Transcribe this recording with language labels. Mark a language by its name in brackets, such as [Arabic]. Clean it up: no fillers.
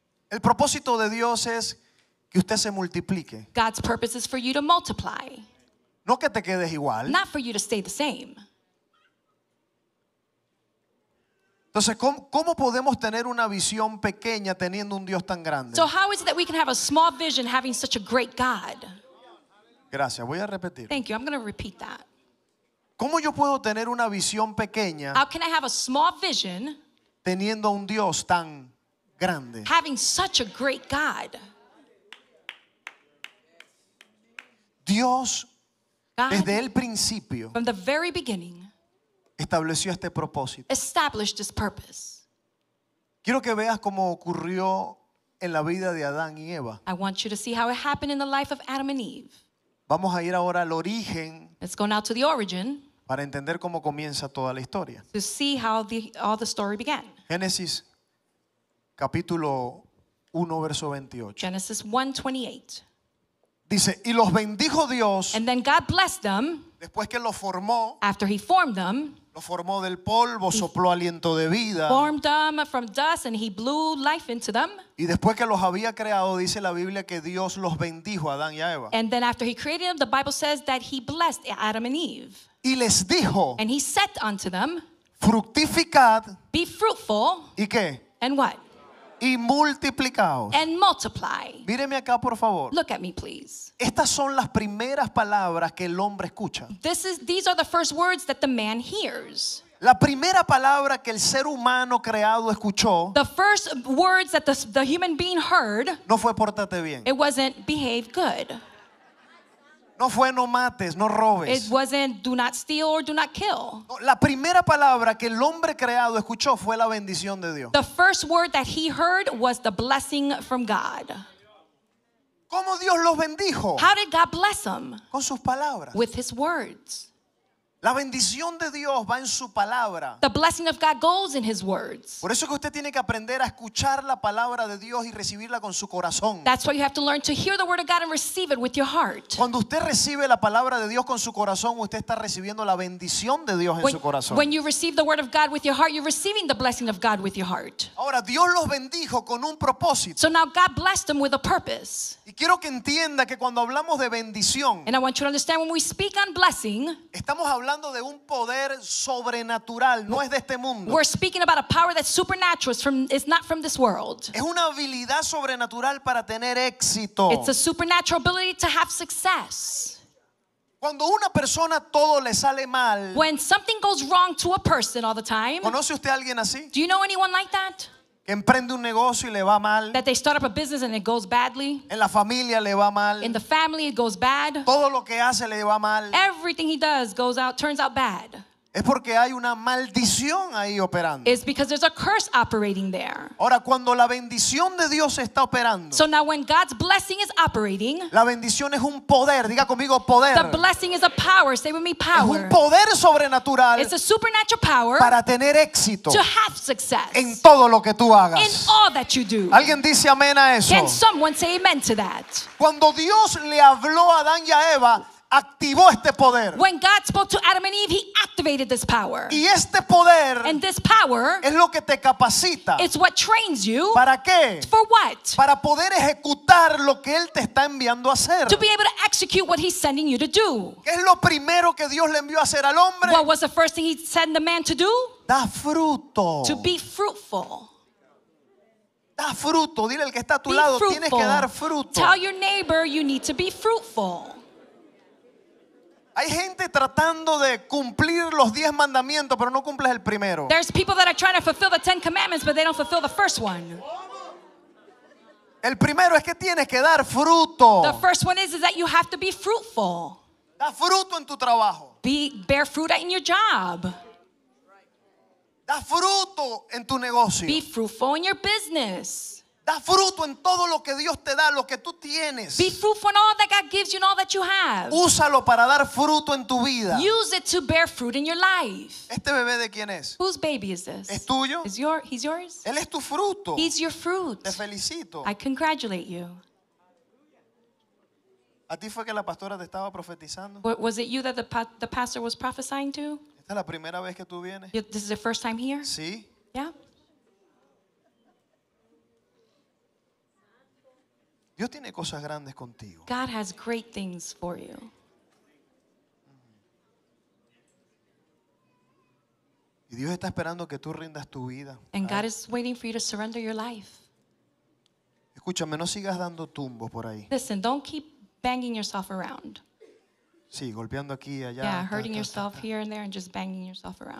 [Spanish] El propósito de Dios es que usted se multiplique. [English] God's purpose is for you to multiply. [Spanish] No que te quedes igual. [English] Not for you to stay the same. [Spanish] Entonces, ¿cómo podemos tener una visión pequeña teniendo un Dios tan grande? [English] So how is it that we can have a small vision having such a great God? [Spanish] Gracias, voy a repetir. [English] Thank you, I'm going to repeat that. [Spanish] ¿Cómo yo puedo tener una visión pequeña? [English] How can I have a small vision [Spanish] teniendo un Dios tan grande? [English] Having such a great God. [Spanish] Dios [English] God, [Spanish] desde el principio, [English] from the very beginning, [Spanish] estableció este propósito. [English] Established this purpose. [Spanish] Quiero que veas cómo ocurrió en la vida de Adán y Eva. [English] I want you to see how it happened in the life of Adam and Eve. [Spanish] Vamos a ir ahora al origen. [English] Let's go now to the origin. [Spanish] Para entender cómo comienza toda la historia. [English] To see how all the story began. [Spanish] Génesis capítulo 1 verso 28. [English] Genesis 1:28. [Spanish] Dice, y los bendijo Dios. [English] And then God blessed them. [Spanish] Después que los formó. [English] After he formed them. [Spanish] Los formó del polvo, sopló aliento de vida. [English] Formed them from dust and he blew life into them. [Spanish] Y después que los había creado, dice la Biblia que Dios los bendijo a Adán y a Eva. [English] And then after he created them, the Bible says that he blessed Adam and Eve. [Spanish] Y les dijo. [English] And he said unto them. [Spanish] Fructificad. [English] Be fruitful. [Spanish] ¿Y qué? [English] And what? [Spanish] Y multiplicaos. [English] And multiply. [Spanish] Míreme acá, por favor. [English] Look at me, please. [Spanish] Estas son las primeras palabras que el hombre escucha. [English] These are the first words that the man hears. [Spanish] La primera palabra que el ser humano creado escuchó. [English] The first words that the human being heard. [Spanish] No fue pórtate bien. [English] It wasn't behave good. [Spanish] No fue no mates, no robes. [English] It wasn't do not steal or do not kill. [Spanish] No, la primera palabra que el hombre creado escuchó fue la bendición de Dios. [English] The first word that he heard was the blessing from God. [Spanish] ¿Cómo Dios los bendijo? [English] How did God bless them? [Spanish] Con sus palabras. [English] With his words. [Spanish] La bendición de Dios va en su palabra. [English] The blessing of God goes in his words. [Spanish] Por eso que usted tiene que aprender a escuchar la palabra de Dios y recibirla con su corazón. [English] That's why you have to learn to hear the word of God and receive it with your heart. [Spanish] Cuando usted recibe la palabra de Dios con su corazón, usted está recibiendo la bendición de Dios en su corazón. [English] When you receive the word of God with your heart, you're receiving the blessing of God with your heart. [Spanish] Ahora, Dios los bendijo con un propósito. [English] So now God blessed them with a purpose. [Spanish] Y quiero que entienda que cuando hablamos de bendición, [English] and I want you to understand when we speak on blessing, [Spanish] estamos hablando de un poder sobrenatural, no es de este mundo. [English] We're speaking about a power that's supernatural, it's not from this world. [Spanish] Es una habilidad sobrenatural para tener éxito. [English] It's a supernatural ability to have success. [Spanish] Cuando una persona todo le sale mal. [English] When something goes wrong to a person all the time. [Spanish] ¿Conoce usted a alguien así? [English] Do you know anyone like that? [Spanish] Que emprende un negocio y le va mal. [English] That they start up a business and it goes badly. [Spanish] En la familia le va mal. [English] In the family it goes bad. [Spanish] Todo lo que hace le va mal. [English] Everything he does goes out, turns out bad. [Spanish] Es porque hay una maldición ahí operando. [English] It's because there's a curse operating there. [Spanish] Ahora, cuando la bendición de Dios está operando. [English] So now when God's blessing is operating. [Spanish] La bendición es un poder. Diga conmigo poder. [English] The blessing is a power. Say with me power. [Spanish] Es un poder sobrenatural. [English] It's a supernatural power. [Spanish] Para tener éxito. [English] To have success. [Spanish] En todo lo que tú hagas. [English] In all that you do. [Spanish] ¿Alguien dice amén a eso? [English] Can someone say amen to that? [Spanish] Cuando Dios le habló a Adán y a Eva. activó este poder. [English] When God spoke to Adam and Eve, he activated this power. [Spanish] Y este poder, [English] and this power, [Spanish] es lo que te capacita. [English] It's what trains you. [Spanish] ¿Para qué? [English] For what? [Spanish] Para poder ejecutar lo que él te está enviando a hacer. [English] To be able to execute what he's sending you to do. [Spanish] ¿Qué es lo primero que Dios le envió a hacer al hombre? [English] What was the first thing he sent the man to do? [Spanish] Da fruto. [English] To be fruitful. [Spanish] Da fruto, dile al que está a tu lado, tienes que dar fruto. [English] Tell your neighbor you need to be fruitful. [Spanish] Hay gente tratando de cumplir los 10 mandamientos, pero no cumples el primero. [English] There's people that are trying to fulfill the 10 commandments, but they don't fulfill the first one. [Spanish] El primero es que tienes que dar fruto. [English] The first one is that you have to be fruitful. [Spanish] Da fruto en tu trabajo. [English] Bear fruit in your job. [Spanish] Da fruto en tu negocio. [English] Be fruitful in your business. [Spanish] Da fruto en todo lo que Dios te da, lo que tú tienes. [English] Be fruitful in all that God gives you and all that you have. [Spanish] Úsalo para dar fruto en tu vida. [English] Use it to bear fruit in your life. [Spanish] ¿Este bebé de quién es? [English] Whose baby is this? [Spanish] ¿Es tuyo? [English] Is your, he's yours. [Spanish] Él es tu fruto. [English] He's your fruit. [Spanish] Te felicito. [English] I congratulate you. [Spanish] ¿A ti fue que la pastora te estaba profetizando? [English] Was it you that the pastor was prophesying to? [Spanish] ¿Esta es la primera vez que tú vienes? [English] This is the first time here? [Spanish] Sí. [English] Yeah. [Spanish] Dios tiene cosas grandes contigo. [English] God has great things for you. [Spanish] Y Dios está esperando que tú rindas tu vida. [English] And God is waiting for you to surrender your life. [Spanish] Escúchame, no sigas dando tumbos por ahí. [English] Listen, don't keep banging yourself around. [Spanish] Sí, golpeando aquí y allá. [English] Yeah, hurting yourself here and there and just banging yourself around.